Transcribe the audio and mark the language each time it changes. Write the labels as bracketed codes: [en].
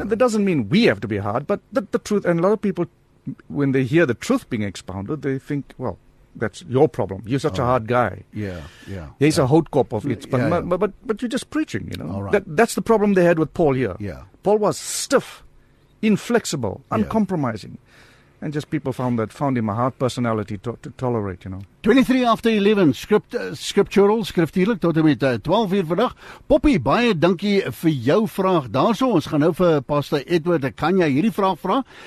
[en] And that doesn't mean we have to be hard, but the truth, and a lot of people, when they hear the truth being expounded, they think, well, that's your problem. You're such a hard guy. Yeah, yeah. He's a hotkop of it, but you're just preaching, you know. All right. That's the problem they had with Paul here. Yeah. Paul was stiff, inflexible, uncompromising. And just people found him a hard personality to tolerate, you know. 23 after 11, scriptural, [af] skriftelik, tot en met 12 uur vandag. Poppy, baie dankie vir jou vraag. Daarso, ons gaan nou vir Pastor Edward, kan jy hierdie vraag vra?